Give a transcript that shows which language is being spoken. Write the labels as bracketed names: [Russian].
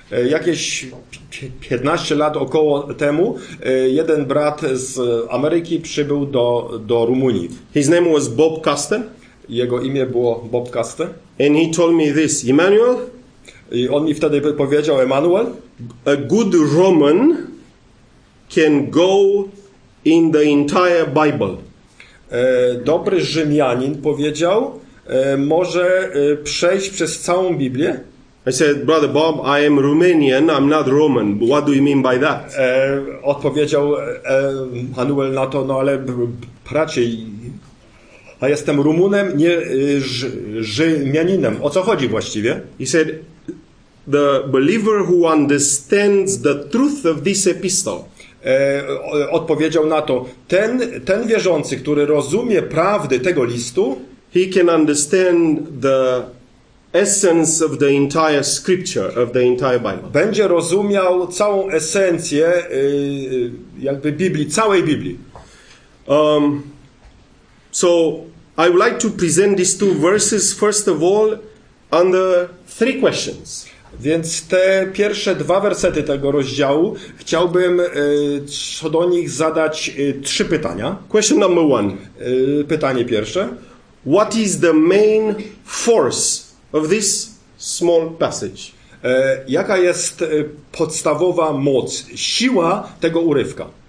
[Polish] Jakieś 15 lat około temu jeden brat z Ameryki przybył do Rumunii. [English] His name was Bob Kasten. [Polish] Jego imię było Bob Kasten. [English] And he told me this, Emmanuel. [Polish] I on mi wtedy powiedział, Emmanuel, [English] a good Roman can go in the entire Bible. [Polish] Dobry Rzymianin, powiedział, może przejść przez całą Biblię. [English] I said, brother Bob, I am Romanian, I'm not Roman. What do you mean by that? [Polish] Odpowiedział Manuel na to, no ale bracie, a jestem Rumunem, nie Rzymianinem. O co chodzi właściwie? [English] He said, the believer who understands the truth of this epistle. [Polish] Odpowiedział na to, ten wierzący, który rozumie prawdy tego listu, [English] he can understand the essence of the entire scripture, of the entire Bible. [Polish] Będzie rozumiał całą esencję jakby Biblii, całej Biblii. [English] So I would like to present these two verses first of all under three questions. [Polish] Więc te pierwsze dwa wersety tego rozdziału chciałbym co do nich zadać trzy pytania. [English] Question number one. [Polish] Pytanie pierwsze. [English] What is the main force of this small passage? [Polish] Jaka jest podstawowa moc, siła tego urywka?